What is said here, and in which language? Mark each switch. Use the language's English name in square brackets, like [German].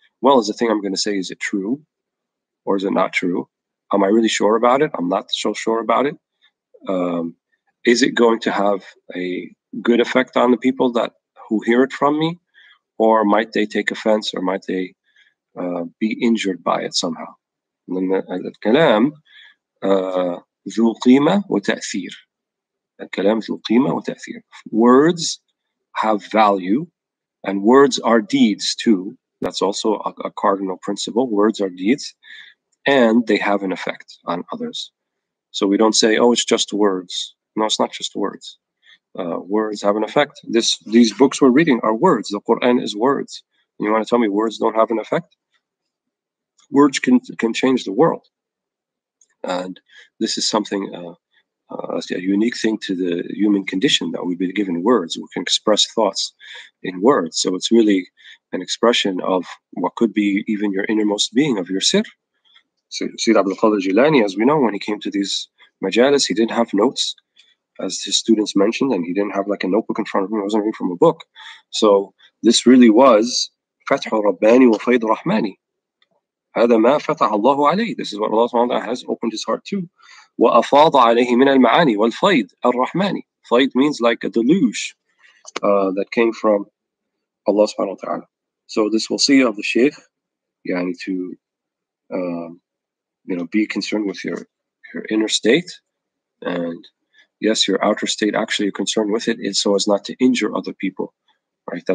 [English] Well, is the thing I'm going to say, is it true or is it not true? Am I really sure about it? I'm not so sure about it. Is it going to have a good effect on the people that who hear it from me? Or might they take offense, or might they be injured by it somehow? [Arabic] Al-kalam ذو قيمة وتأثير. Al-kalam ذو قيمة وتأثير. [English] Words have value, and words are deeds too. That's also a cardinal principle. Words are deeds, and they have an effect on others. So we don't say, oh, it's just words. No, it's not just words. words have an effect. These books we're reading are words. The Quran is words. And you want to tell me words don't have an effect? Words can change the world. And this is something, a unique thing to the human condition, that we've been given words. We can express thoughts in words. So it's really an expression of what could be even your innermost being, of your sir. Sayyid Abdul-Qadir Jilani, as we know, when he came to these majalis, he didn't have notes, as his students mentioned, and he didn't have like a notebook in front of him. He wasn't reading from a book. So this really was فتح رباني وفيد رحماني. [Arabic] هذا ما فتح الله عليه. [English] This is what Allah Ta'ala has opened his heart to. [Arabic] وأفاض عليه من المعاني والفيد الرحماني. [English] فيد means like a deluge that came from Allah Subhanahu wa Ta'ala. So this wasiyah of the Shaykh, يعني to be concerned with your inner state, and yes, your outer state, actually you're concerned with it, and so as not to injure other people, right?